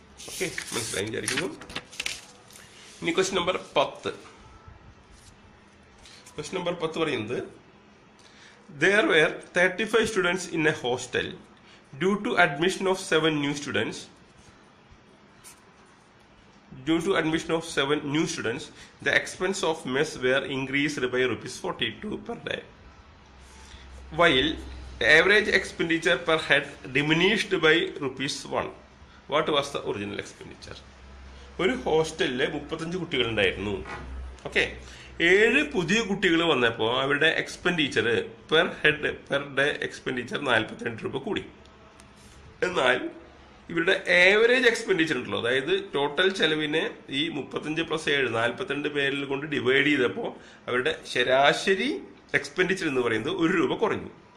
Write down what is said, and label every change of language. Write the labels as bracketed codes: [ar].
[ml] Okay, മനസ്സിലായി വിചാരിക്കുന്നു. ഇനി ക്വസ്റ്റ്യൻ നമ്പർ 10. ക്വസ്റ്റ്യൻ നമ്പർ 10 പറയുന്നത് [en] There were 35 students in a hostel due to admission of 7 new students. Due to admission of 7 new students, the expense of mess were increased by ₹42 per day. While the average expenditure per head diminished by ₹1. What was the original expenditure? [ml] ഒരു ഹോസ്റ്റലിലെ 35 കുട്ടികൾ ഉണ്ടായിരുന്നു. Okay, 7 പുതിയ കുട്ടികൾ വന്നപ്പോൾ അവരുടെ expenditure per head per day expenditure ₹42 കൂടി. എന്നാൽ ഇവരുടെ ആവറേജ് എക്സ്പെൻഡിച്ചർ ഉണ്ടല്ലോ, അതായത് ടോട്ടൽ ചെലവിനെ ഈ 35 + 7 42 പേരിൽ കൊണ്ട് ഡിവൈഡ് ചെയ്തപ്പോൾ അവരുടെ ശരാശരി എക്സ്പെൻഡിച്ചർ എന്ന് പറയുന്നത് ₹1 കുറഞ്ഞു.